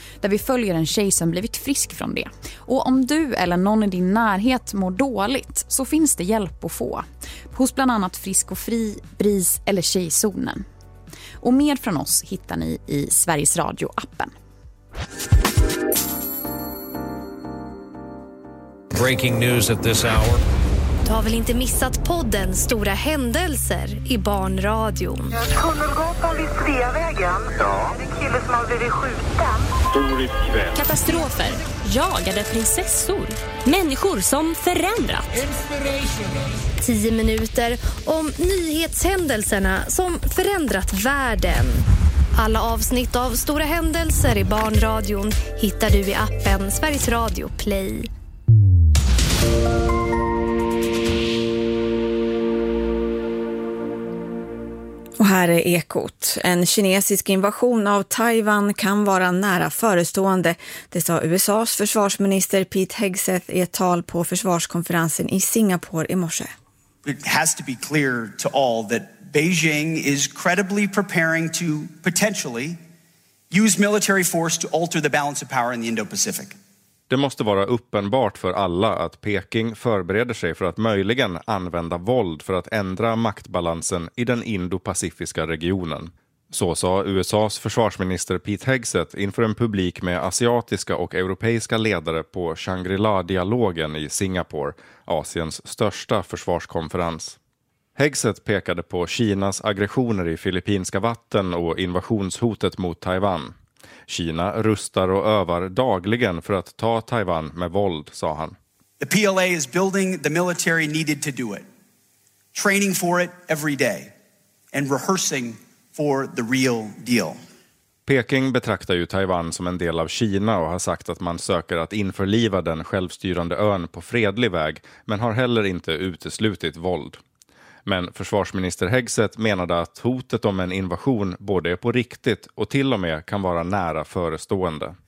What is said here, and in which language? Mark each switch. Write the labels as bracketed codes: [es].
[sv] Där vi följer en tjej som blivit frisk från det. Och om du eller någon i din närhet mår dåligt så finns det hjälp att få. Hos bland annat Frisk och Fri, BRIS eller Tjejzonen. Och mer från oss hittar ni i Sveriges Radio-appen. [en] Breaking news at this hour. [sv] Du har väl inte missat podden Stora händelser i barnradion? Jag kommer gå på vid Sveavägen. Ja. En kille som har blivit skjuten. Katastrofer, jagade prinsessor, människor som förändrat. 10 minuter om nyhetshändelserna som förändrat världen. Alla avsnitt av Stora händelser i barnradion hittar du i appen Sveriges Radio Play. Och här är Ekot. En kinesisk invasion av Taiwan kan vara nära förestående. Det sa USAs försvarsminister Pete Hegseth i ett tal på försvarskonferensen i Singapore i morse. [en] It has to be clear to all that Beijing is credibly preparing to potentially use military force to alter the balance of power in the Indo-Pacific. [sv] Det måste vara uppenbart för alla att Peking förbereder sig för att möjligen använda våld för att ändra maktbalansen i den indopacifiska regionen. Så sa USAs försvarsminister Pete Hegseth inför en publik med asiatiska och europeiska ledare på Shangri-La-dialogen i Singapore, Asiens största försvarskonferens. Hegseth pekade på Kinas aggressioner i filippinska vatten och invasionshotet mot Taiwan. Kina rustar och övar dagligen för att ta Taiwan med våld, sa han. [en] The PLA is building the military needed to do it. Training for it every day and rehearsing for the real deal. [sv] Peking betraktar ju Taiwan som en del av Kina och har sagt att man söker att införliva den självstyrande ön på fredlig väg, men har heller inte uteslutit våld. Men försvarsminister Hegseth menade att hotet om en invasion både är på riktigt och till och med kan vara nära förestående.